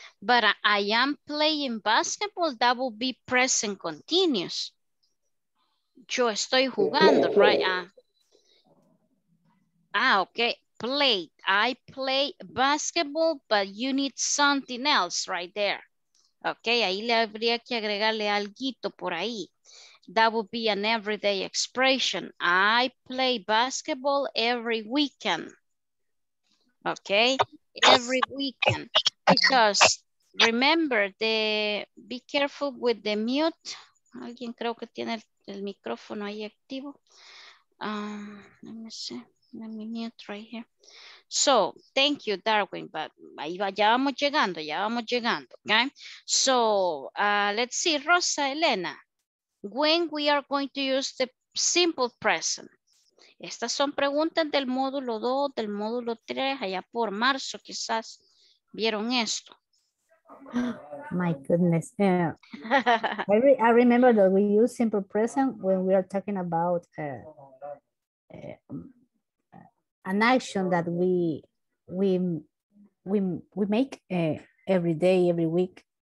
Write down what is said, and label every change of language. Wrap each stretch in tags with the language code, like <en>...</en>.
<en>But I am playing basketball, that will be present continuous.</en> <es>Yo estoy jugando, right?</es> <en>Okay. Played. I play basketball, but you need something else right there.</en> <es>Okay, ahí le habría que agregarle alguito por ahí.</es> <en>That would be an everyday expression. I play basketball every weekend. Okay, every weekend. Because remember, be careful with the mute.</en> <es>Alguien creo que tiene el micrófono ahí activo.</es> <en>Let me see. Let me mute right here. So, thank you, Darwin, but</en> <es>ya vamos llegando,</es> <en>okay? So, let's see, Rosa Elena, when we are going to use the simple present?</en> <es>Estas son preguntas del módulo 2, del módulo 3, allá por marzo quizás vieron esto.</es> <en>My goodness. I remember that we use simple present when we are talking about an action that we make every day, every week.</en>